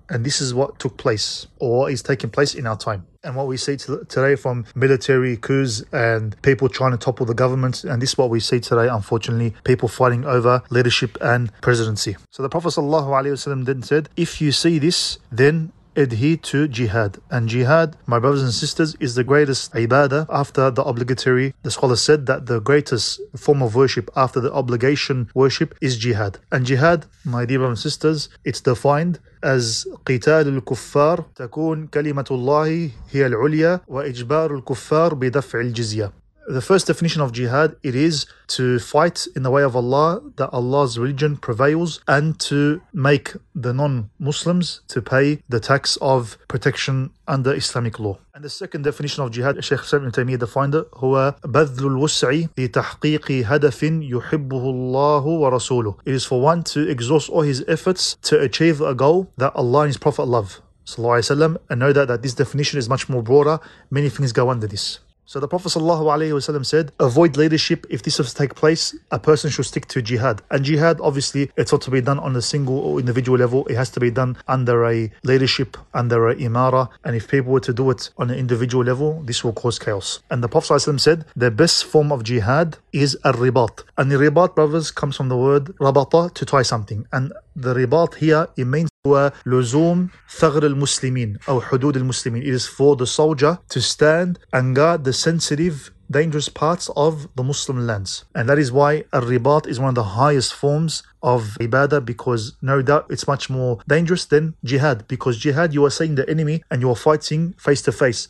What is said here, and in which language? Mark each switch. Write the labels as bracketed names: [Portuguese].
[English] And this is what took place, or what is taking place in our time. And what we see today from military coups and people trying to topple the government, and this is what we see today, unfortunately, people fighting over leadership and presidency. So the Prophet sallallahu alaihi wasallam then said, if you see this, then adhere to jihad. And jihad, my brothers and sisters, is the greatest ibadah after the obligatory. The scholar said that the greatest form of worship after the obligation worship is jihad. And jihad, my dear brothers and sisters, it's defined as [Arabic] قتال الكفار تكون كلمة الله هي العليا وإجبار الكفار بدفع الجزية. [English] The first definition of jihad, it is to fight in the way of Allah, that Allah's religion prevails, and to make the non-Muslims to pay the tax of protection under Islamic law. And the second definition of jihad, Sheikh Ibn Taymiyyah defined it, [Arabic] هو بذل الوسع لتحقيق هدف يحبه الله ورسوله. [English] It is for one to exhaust all his efforts to achieve a goal that Allah and his Prophet love, sallallahu alayhi wa sallam. And know that this definition is much more broader. Many things go under this. So the Prophet sallallahu alaihi wasallam said, avoid leadership. If this was to take place, a person should stick to jihad. And jihad, obviously, it's not to be done on a single or individual level. It has to be done under a leadership, under an imara. And if people were to do it on an individual level, this will cause chaos. And the Prophet sallallahu alaihi wasallam said, the best form of jihad is al-ribat. And the ribat, brothers, comes from the word rabata, to tie something. And the ribat here, it means [Arabic] لزوم ثغر المسلمين أو حدود المسلمين. [English] It is for the soldier to stand and guard the sensitive, dangerous parts of the Muslim lands. And that is why al-ribat is one of the highest forms of ibadah, because no doubt it's much more dangerous than jihad, because jihad, you are seeing the enemy and you are fighting face to face.